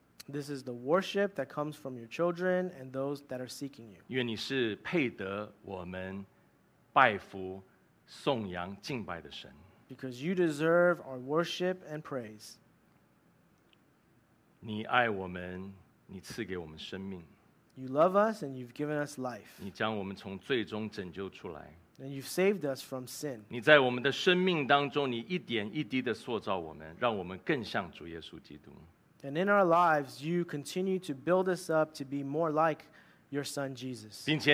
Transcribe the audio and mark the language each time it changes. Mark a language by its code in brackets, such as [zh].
[en] This is the worship that comes from your children and those that are seeking you. [zh] 愿你是配得我们拜服、颂扬、敬拜的神。 [en] Because you deserve our worship and praise. [zh] 你爱我们，你赐给我们生命。 [en] You love us and you've given us life. [zh] 你将我们从罪中拯救出来。 [en] And you've saved us from sin. [zh] 你在我们的生命当中，你一点一滴的塑造我们，让我们更像主耶稣基督。 [en] And in our lives, you continue to build us up to be more like your Son Jesus.